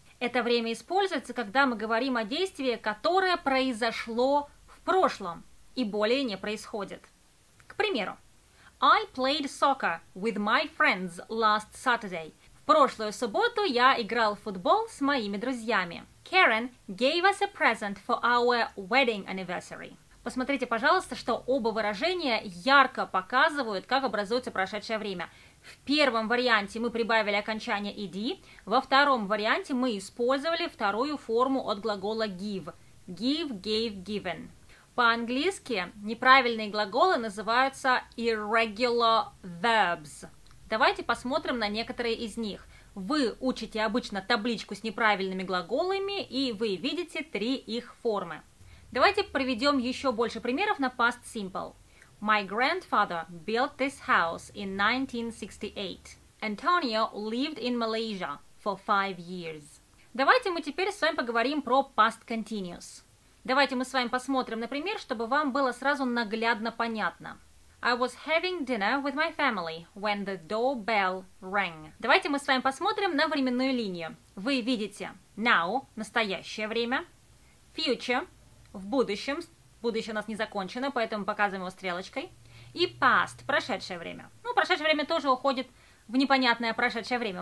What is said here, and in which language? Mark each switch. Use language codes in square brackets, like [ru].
[ru] Это время используется, когда мы говорим о действии, которое произошло в прошлом и более не происходит. К примеру, [en] I played soccer with my friends last Saturday. В [ru] Прошлую субботу я играл в футбол с моими друзьями. [en] Karen gave us a present for our wedding anniversary. [ru] Посмотрите, пожалуйста, что оба выражения ярко показывают, как образуется прошедшее время. В первом варианте мы прибавили окончание ed, во втором варианте мы использовали вторую форму от глагола give. Give, gave, given. По-английски неправильные глаголы называются irregular verbs. Давайте посмотрим на некоторые из них. Вы учите обычно табличку с неправильными глаголами, и вы видите три их формы. Давайте приведем еще больше примеров на past simple. [en] My grandfather built this house in 1968. Antonio lived in Malaysia for 5 years. [ru] Давайте мы теперь с вами поговорим про past continuous. Давайте мы с вами посмотрим, например, чтобы вам было сразу наглядно понятно. [en] I was having dinner with my family when the doorbell rang. [ru] Давайте мы с вами посмотрим на временную линию. Вы видите now, настоящее время, future, в будущем. Будущее у нас не закончено, поэтому показываем его стрелочкой. И past, прошедшее время. Ну, прошедшее время тоже уходит в непонятное прошедшее время.